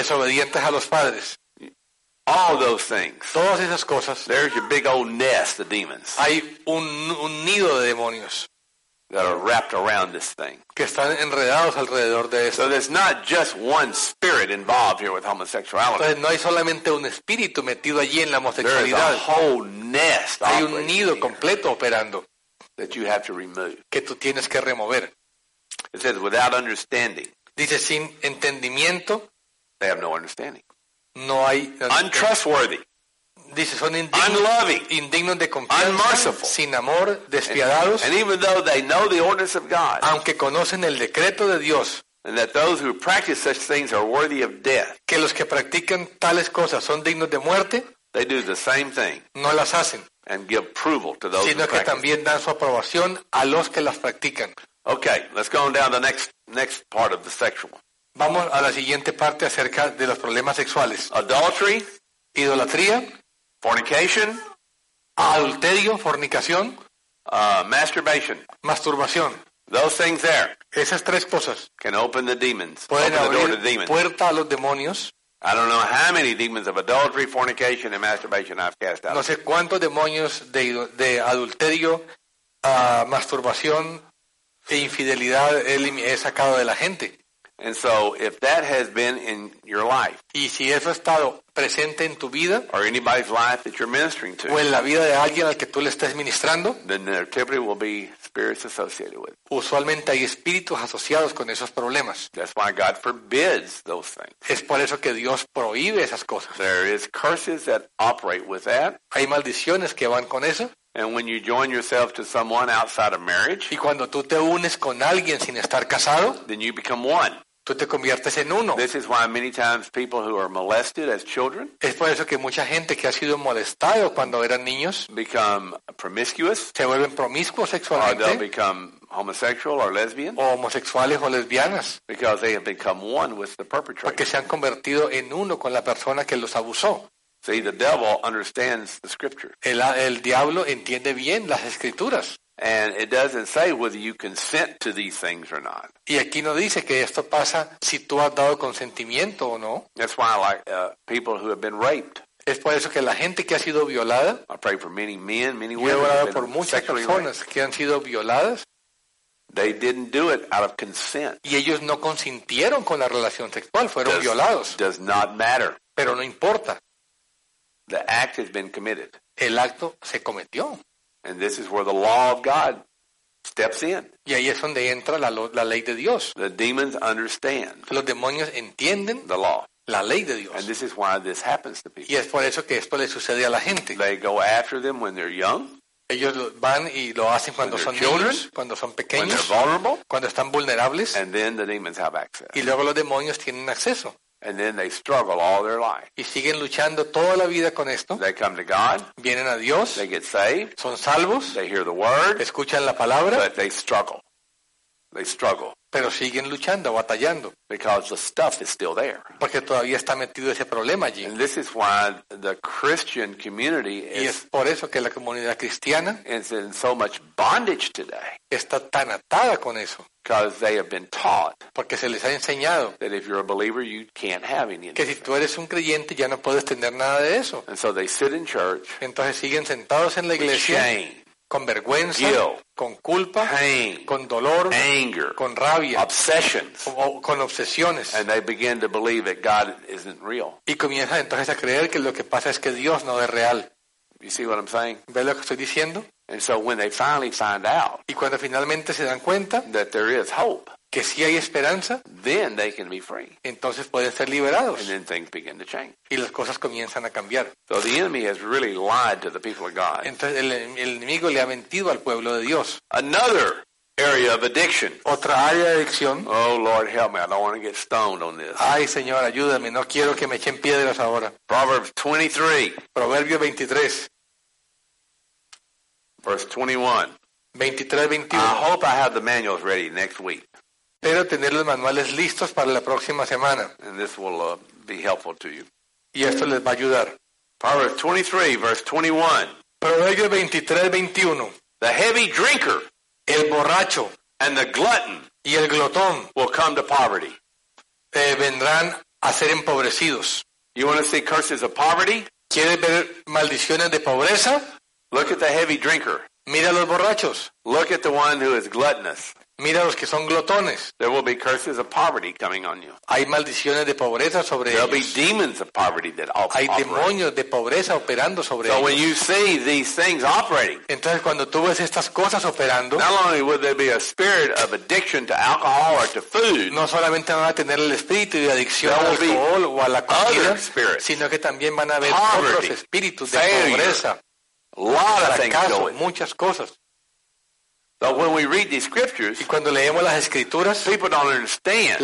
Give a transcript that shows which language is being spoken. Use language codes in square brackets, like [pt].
[es] desobedientes a los padres. [en] All those things. [es] Todas esas cosas. [en] There's your big old nest of demons. [es] Hay un nido de demonios. [en] That are wrapped around this thing. [es] Que están enredados alrededor de esto. [en] So there's not just one spirit involved here with homosexuality. [es] Entonces, no hay solamente un espíritu metido allí en la homosexualidad. [en] There's a whole nest. [es] Hay un nido completo operando. [en] That you have to remove. [es] Que tú tienes que remover. [en] It says without understanding. [es] Dice sin entendimiento. [en] They have no understanding. [es] No hay, [en] untrustworthy. [es] Dice, son indignos, [en] unloving. [es] Indignos de confianza. [en] Unmerciful. [es] Sin amor, despiadados. [en] And even though they know the ordinance of God. [es] Aunque conocen el decreto de Dios. [en] And that those who practice such things are worthy of death. [es] Que los que practican tales cosas son dignos de muerte. [en] They do the same thing. [es] No las hacen. [en] And give approval to those [es] sino [en] who practice. [es] Que también dan su aprobación a los que las practican. [en] Okay, let's go on down the next part of the sexual. [es] Vamos a la siguiente parte acerca de los problemas sexuales. [en] Adultery, [es] idolatría, [en] fornication, [es] adulterio, fornicación, [en] masturbation, [es] masturbación. [en] Those things there. [es] Esas tres cosas. [en] Can open the demons. [es] Pueden [en] open [es] abrir [en] the door to demons. [es] Puerta a los demonios. [en] I don't know how many demons of adultery, fornication, and masturbation I've cast out. [es] No sé cuántos demonios de adulterio, masturbación e infidelidad he sacado de la gente. [en] And so, if that has been in your life, [es] y si eso ha estado presente en tu vida, [en] or anybody's life that you're ministering to, [es] o en la vida de alguien al que tú le estés ministrando, [en] then there typically will be spirits associated with it. [es] Usualmente hay espíritus asociados con esos problemas. [en] That's why God forbids those things. [es] Es por eso que Dios prohíbe esas cosas. [en] There is curses that operate with that. [es] Hay maldiciones que van con eso. [en] And when you join yourself to someone outside of marriage, [es] y cuando tú te unes con alguien sin estar casado, [en] then you become one. [es] Tú te conviertes en uno. [en] This is why many times people who are molested as children, [es] es por eso que mucha gente que ha sido molestado cuando eran niños, [en] become promiscuous, [es] se vuelven promiscuos sexualmente, [en] or they'll become homosexual or lesbian, [es] o homosexuales o lesbianas, [en] because they have become one with the perpetrator, [es] porque se han convertido en uno con la persona que los abusó. [en] See, the devil understands the scripture. [es] El diablo entiende bien las escrituras. [en] And it doesn't say whether you consent to these things or not. [es] Y aquí no dice que esto pasa si tú has dado consentimiento o no. [en] That's why I like people who have been raped. [es] Es por eso que la gente que ha sido violada. [en] I pray for many men, many women. [es] Yo he orado por muchas personas que han sido violadas. [en] They didn't do it out of consent. [es] Y ellos no consintieron con la relación sexual, fueron violados. [en] Does not matter. [es] Pero no importa. [en] The act has been committed. [es] El acto se cometió. [en] And this is where the law of God steps in. [es] Y ahí es donde entra la ley de Dios. [en] The demons understand. [es] Los demonios entienden [en] the law. [es] La ley de Dios. [en] And this is why this happens to people. [es] Y es por eso que esto le sucede a la gente. [en] They go after them when they're young. [es] Ellos van y lo hacen cuando son niños, cuando son pequeños, cuando están vulnerables. [en] And then the demons have access. [es] Y luego los demonios tienen acceso. [en] And then they struggle all their life. [es] Y siguen luchando toda la vida con esto. [en] They come to God. [es] Vienen a Dios. [en] They get saved. [es] Son salvos. [en] They hear the word. [es] Escuchan la palabra. [en] But they struggle. They struggle. [es] Pero siguen luchando, batallando. [en] Because the stuff is still there. [es] Porque todavía está metido ese problema allí. [en] And this is why the Christian community [es] y es por eso que la comunidad cristiana [en] is in so much bondage today. [es] Está tan atada con eso. [en] Because they have been taught [es] porque se les ha enseñado [en] that if you're a believer, you can't have any of [es] que si tú eres un creyente ya no puedes tener nada de eso. [en] And so they sit in church. [es] Entonces siguen sentados en la iglesia. [en] With shame. [es] Con vergüenza, [en] guilt, [es] con culpa, [en] pain, [es] con dolor, [en] anger, [es] con rabia, [en] obsessions, [es] con obsesiones. [en] And they begin to believe that God isn't real. [es] Y comienzan entonces a creer que lo que pasa es que Dios no es real. [en] You see what I'm saying? [es] ¿Ves lo que estoy diciendo? [en] And so when they finally find out, [es] y cuando finalmente se dan cuenta [en] that there is hope, [es] que sí hay esperanza, [en] then they can be free. [es] Entonces pueden ser liberados. [en] And then things begin to change. [es] Y las cosas comienzan a cambiar. [en] So the enemy has really lied to the people of God. [es] Entonces el enemigo le ha mentido al pueblo de Dios. [en] Another area of addiction. [es] Otra área de adicción. [en] Oh Lord, help me. I don't want to get stoned on this. [es] Ay Señor, ayúdame. No quiero que me echen piedras ahora. [en] Proverbs 23. [es] Proverbio 23. [en] Verse 21. 23-21. I hope I have the manuals ready next week. [es] Espero tener los manuales listos para la próxima semana. [en] And this will, be helpful to you. [es] Y esto les va a ayudar. [en] Proverbs 23, verse 21. [es] Proverbio 23:21. [en] The heavy drinker, [es] el borracho, [en] and the glutton, [es] y el glotón, [en] will come to poverty. [es] Vendrán a ser empobrecidos. [en] You want to see curses of poverty? [es] ¿Quieres ver maldiciones de pobreza? [en] Look at the heavy drinker. [es] Mira a los borrachos. [en] Look at the one who is gluttonous. [es] Mira los que son glotones. [en] There will be curses of poverty coming on you. [es] Hay maldiciones de pobreza sobre [en] There'll [es] ellos. [en] There'll be demons of poverty that operate. [es] Hay demonios de pobreza operando sobre [en] so [es] ellos. [en] So when you see these things operating, [es] entonces cuando tú ves estas cosas operando, [en] not only will there be a spirit of addiction to alcohol or to food, [es] no solamente van a tener el espíritu de adicción al alcohol o a la comida, sino que también van a haber otros espíritus de pobreza, fracaso, muchas cosas. [en] But when we read these scriptures, [es] y cuando leemos las escrituras, [en] people don't understand.